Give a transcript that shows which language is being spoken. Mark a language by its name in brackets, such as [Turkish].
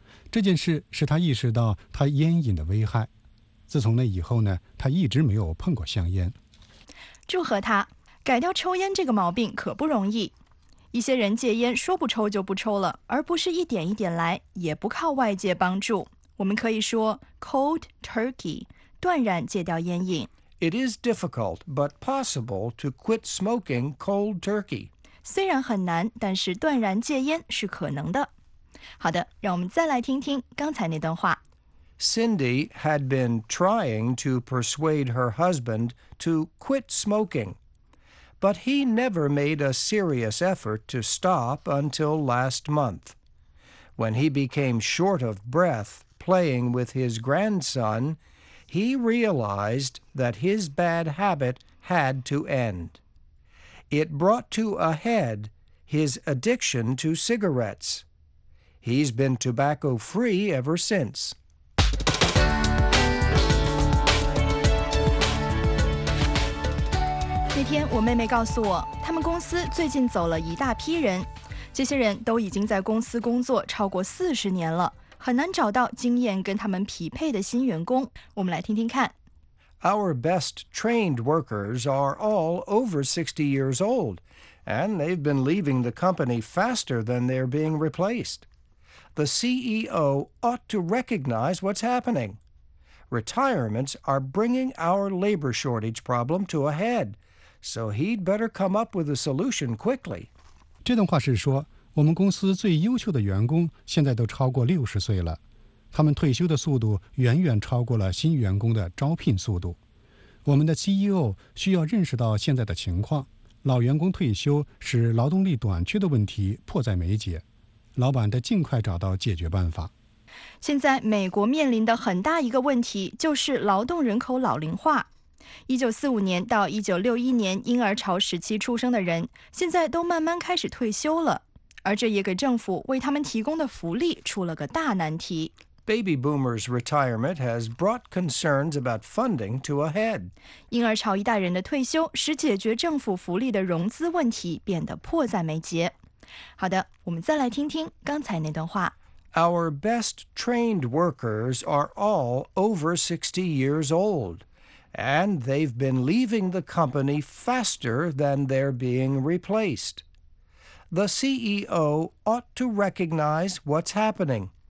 [Chinese] 这件事使她意识到她烟瘾的危害。自从那以后呢，她一直没有碰过香烟。祝贺她，改掉抽烟这个毛病可不容易。一些人戒烟说不抽就不抽了，而不是一点一点来，也不靠外界帮助。我们可以说 cold turkey, 断然戒掉烟瘾。 [English] It is difficult but possible to quit smoking cold turkey. [Chinese] 虽然很难，但是断然戒烟是可能的。好的，让我们再来听听刚才那段话。 [English] Cindy had been trying to persuade her husband to quit smoking, but he never made a serious effort to stop until last month. When he became short of breath playing with his grandson, he realized that his bad habit had to end. It brought to a head his addiction to cigarettes. He's been tobacco-free ever since. [Chinese] 那天我妹妹告诉我，他们公司最近走了一大批人，这些人都已经在公司工作超过40年了，很难找到经验跟他们匹配的新员工。我们来听听看。 [English] Our best trained workers are all over 60 years old, and they've been leaving the company faster than they're being replaced. The CEO ought to recognize what's happening. Retirements are bringing our labor shortage problem to a head. So he'd better come up with a solution quickly. [Chinese] 这段话是说，我们公司最优秀的员工现在都超过60岁了，他们退休的速度远远超过了新员工的招聘速度。我们的 CEO 需要认识到现在的情况，老员工退休使劳动力短缺的问题迫在眉睫，老板得尽快找到解决办法。现在美国面临的很大一个问题就是劳动人口老龄化。 1945年到1961年婴儿潮时期出生的人，现在都慢慢开始退休了，而这也给政府为他们提供的福利出了个大难题。 [English] Baby boomers' retirement has brought concerns about funding to a head. [Chinese] 婴儿潮一代人的退休使解决政府福利的融资问题变得迫在眉睫。好的，我们再来听听刚才那段话。 [English] Our best trained workers are all over 60 years old. And they've been leaving the company faster than they're being replaced. The CEO ought to recognize what's happening.